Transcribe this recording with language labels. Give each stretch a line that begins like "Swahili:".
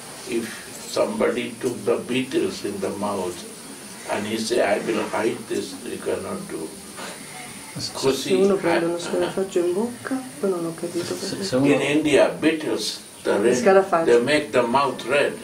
English: If somebody took the beetles in the mouth and he say, I will hide this, you cannot do.
Italian: Così, se uno prende uno scarafaggio in bocca, poi non ho capito perché.
English: In India, beetles, the red, they make the mouth red.